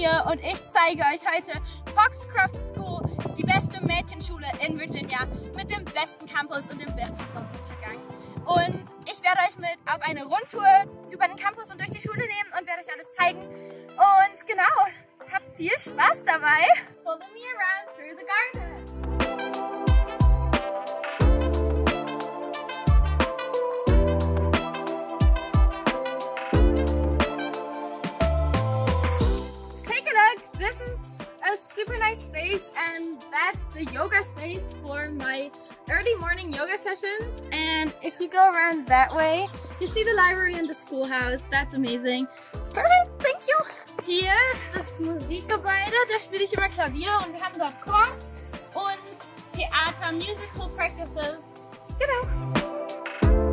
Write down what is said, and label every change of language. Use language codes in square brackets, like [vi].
[de] und ich zeige euch heute Foxcroft School, die beste Mädchenschule in Virginia mit dem besten Campus und dem besten Sonnenuntergang. Und ich werde euch mit auf eine Rundtour über den Campus und durch die Schule nehmen und werde euch alles zeigen. Und genau, habt viel Spaß dabei. [en] Follow me around through the garden. This is a super nice space, and that's the yoga space for my early morning yoga sessions. And if you go around that way, you see the library and the schoolhouse. That's amazing. Perfect, thank you. [de] Hier ist das Musikgebäude, da spiele ich immer Klavier und wir haben dort Chor und Theater, [en] Musical Practices. [de] Genau.